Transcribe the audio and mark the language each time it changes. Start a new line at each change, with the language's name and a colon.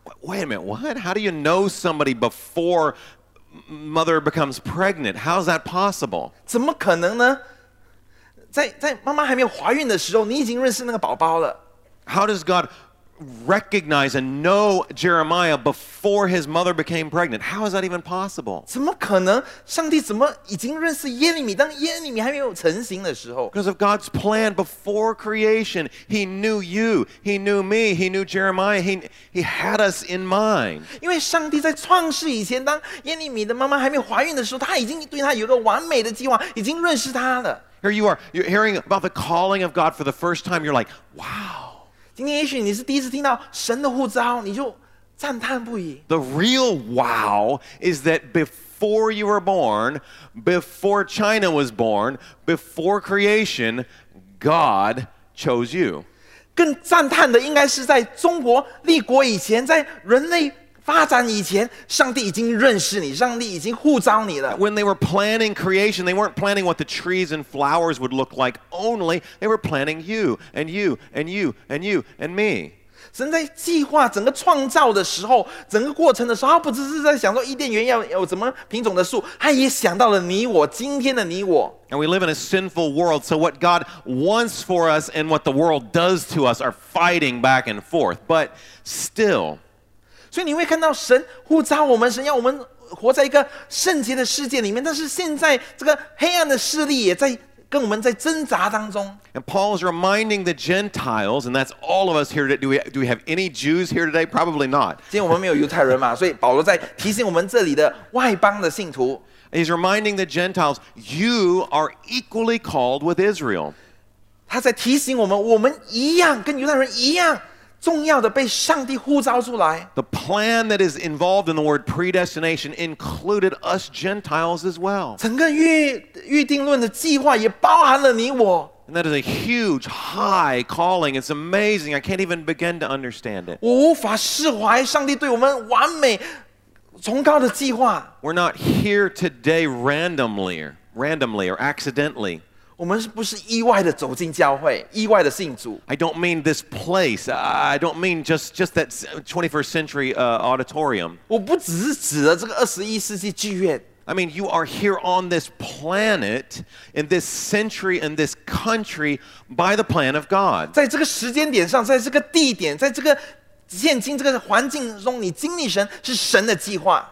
English: Wait a minute. What? How do you know somebody before mother becomes pregnant? How is that possible?
Chinese: 怎么可能呢？在妈妈还没有怀孕的时候，你已经认识那个宝宝了。
English: How does God recognize and know Jeremiah before his mother became pregnant? How is that even possible?
Chinese: 怎么可能？上帝怎么已经认识耶利米？当耶利米还没有成型的时候
English: ？Because of God's plan before creation, He knew you, He knew me, He knew Jeremiah, He had us in mind.
Chinese: 因为上帝在创世以前，当耶利米的妈妈还没怀孕的时候，他已经对他有个完美的计划，已经认识他了。
English: Here you are, you're hearing about the calling of God for the first time. You're like, wow.
Chinese: 今天也许你是第一次听到神的呼召，你就赞叹不已。
English: The real wow is that before you were born, before China was born, before creation, God chose you.
Chinese: 更赞叹的应该是在中国立国以前，在人类发展以前，上帝已经认识你，上帝已经呼召你了。
English: When they were planning creation, they weren't planning what the trees and flowers would look like only. They were planning you and you and you and you and me.
Chinese: 神在计划整个创造的时候，整个过程的时候，他不只是在想说伊甸园要有什么品种的树，他也想到了你我，今天的你我。
English: And we live in a sinful world, so what God wants for us and what the world does to us are fighting back and forth. But still,
Chinese: 所以你会看到神呼召我们，神要我们活在一个圣洁的世界里面，但是现在这个黑暗的势力也在跟我们在挣扎当中。
English: And Paul is reminding the Gentiles, and that's all of us here today. Do we have any Jews here today? Probably not.
Chinese: 今天我们没有犹太人嘛，所以保罗在提醒我们这里的外邦的信徒。
English: He's reminding the Gentiles, you are equally called with Israel.
Chinese: 他在提醒我们，我们一样跟犹太人一样。重要的被上帝呼召出来。
English: The plan that is involved in the word predestination included us Gentiles as well.
Chinese: 整个预定论的计划也包含了你我。
English: And that is a huge, high calling. It's amazing. I can't even begin to understand it.
Chinese: 我无法释怀上帝对我们完美、崇高的计划。
English: We're not here today randomly or accidentally.
Chinese: 我们不是意外的走进教会，意外的信主。
English: I don't mean this place. I don't mean just that 21st century auditorium.
Chinese: 我不只是指的这个21世纪剧院。
English: I mean, you are here on this planet, in this century, in this country, by the plan of God.
Chinese: 在这个时间点上，在这个地点，在这个现今这个环境中，你经历神是神的计划。